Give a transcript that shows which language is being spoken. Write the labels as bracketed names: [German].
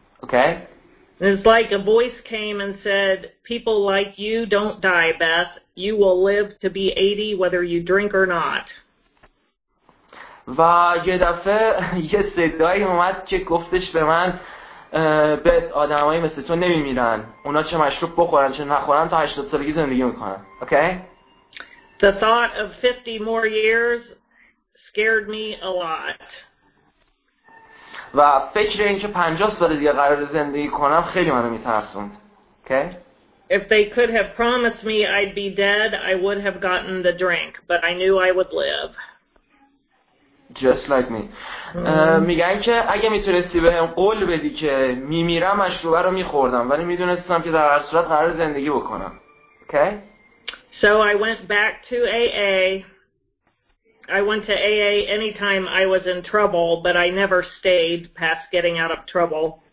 [English] Okay? It's like a voice came and said, people like you don't die, Beth. You will live to be 80 whether you drink or not. [Persian] و یه دفعه یه صدایی اومد که گفتش به من به آدم هایی مثل تو نمیمیرن، اونا چه مشروب بخورن چه نخورن تا 80 سالگی زندگی میکنن. [English] Okay? The thought of 50 more years scared me a lot. [Persian] و فکر این که 50 سال دیگه قرار زندگی کنم خیلی منو میترسوند. [English] Okay? If they could have promised me I'd be dead, I would have gotten the drink, but I knew I would live. Just like me. [Persian] میگن که اگه میتونستی به هم قول بدی که میمیرم مشروبه رو میخوردم، ولی میدونستم که در هر صورت قرار زندگی بکنم. [English] Okay? So I went back to AA. I went to AA anytime I was in trouble, but I never stayed past getting out of trouble.